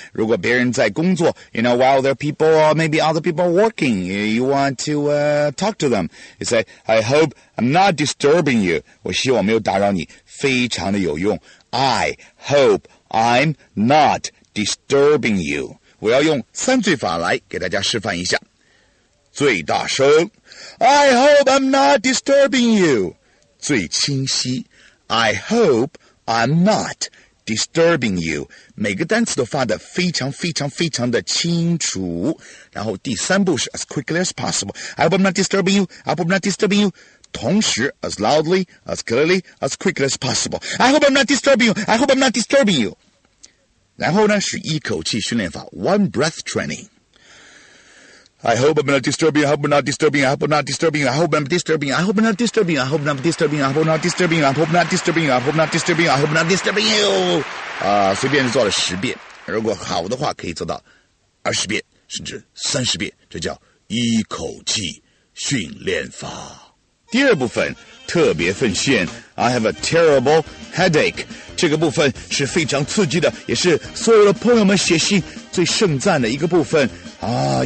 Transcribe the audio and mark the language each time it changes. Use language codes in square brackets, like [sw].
[zh] 如果别人在工作 [en] ，you know, while there are people or maybe other people working, you want to talk to them. You say, I hope I'm not disturbing you. [zh] 我希望没有打扰你，非常的有用。 [en] I hope. I'm not disturbing you. [zh] 我要用三句法来给大家示范一下。最大声 [en] I hope I'm not disturbing you. [zh] 最清晰 [en] I hope I'm not disturbing you. [zh] 每个单词都发得非常非常非常的清楚。然后第三步是 [en] as quickly as possible. I hope I'm not disturbing you. I hope I'm not disturbing you. [zh] 同时 [en] as loudly, as clearly, as quickly as possible. I hope I'm not disturbing you. I hope I'm not disturbing you. [zh] 然后呢是一口气训练法 [en] one breath training. I hope I'm not disturbing you. I hope I'm not disturbing you. I hope I'm not disturbing you. I hope I'm not disturbing you. I hope I'm not disturbing you. I hope I'm not disturbing you. I hope I'm not disturbing you. I hope I'm not disturbing you. I hope I'm not disturbing you. I hope I'm not disturbing you. [zh] 随便做了十遍，如果好的话可以做到二十遍甚至三十遍，这叫一口气训练法。第二部分特别奉献 [en] I have a terrible headache [zh] 这个部分是非常刺激的，也是所有的朋友们写信最盛赞的一个部分啊！